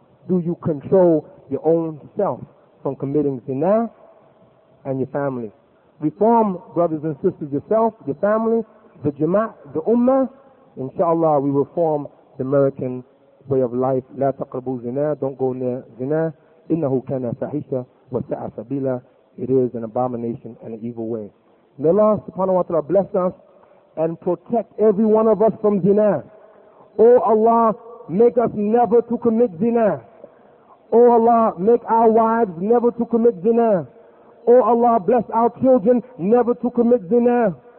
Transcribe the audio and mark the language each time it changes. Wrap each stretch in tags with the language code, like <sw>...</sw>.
<en>Do you control your own self from committing zina and your family? Reform, brothers and sisters, yourself, your family, the jama'ah, the ummah. Inshallah, we reform the American way of life.</en> <ar>لا تقربوا زنا.</ar> <en>Don't go near zina.</en> <ar>إنه كان فاحشة وساء سبيلا.</ar> <en>It is an abomination and an evil way. May Allah subhanahu wa ta'ala bless us and protect every one of us from zina. Oh Allah, make us never to commit zina. Oh Allah, make our wives never to commit zina. Oh Allah, bless our children never to commit zina.</en>